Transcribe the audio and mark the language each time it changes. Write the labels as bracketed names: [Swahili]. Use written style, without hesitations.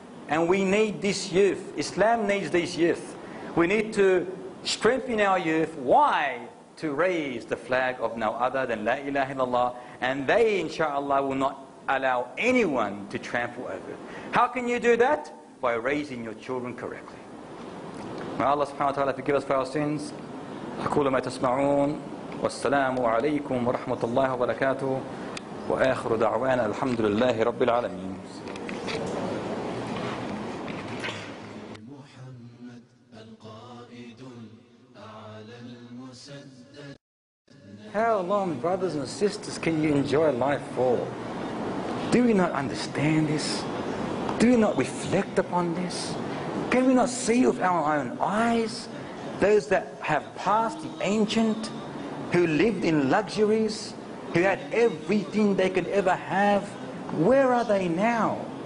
[English] And we need this youth. Islam needs this youth. We need to strengthen our youth. Why? To raise the flag of no other than La ilaha illallah. And they, inshallah, will not allow anyone to trample over it. How can you do that? By raising your children correctly. May Allah subhanahu wa ta'ala forgive us for our sins. [Arabic] أقول ما تسمعون والسلام عليكم ورحمة الله وبركاته وآخر دعوانا الحمد لله رب العالمين محمد القائد على المسدد. [English] How long, brothers and sisters, can you enjoy life for? Do we not understand this? Do we not reflect upon this? Can we not see with our own eyes? Those that have passed, the ancient, who lived in luxuries, who had everything they could ever have, where are they now?